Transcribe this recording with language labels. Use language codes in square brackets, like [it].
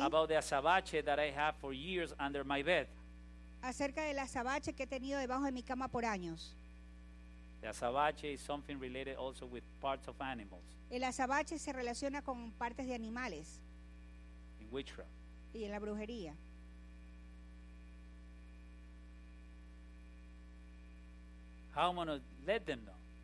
[en] About the azabache that I have for years under my bed. [es] Acerca del azabache que he tenido debajo de mi cama por años. [en] The azabache is something related also with parts of animals. [es] El azabache se relaciona con partes de animales. [en] In witchcraft. [es] Y en la brujería. [en] How am I going to let them know?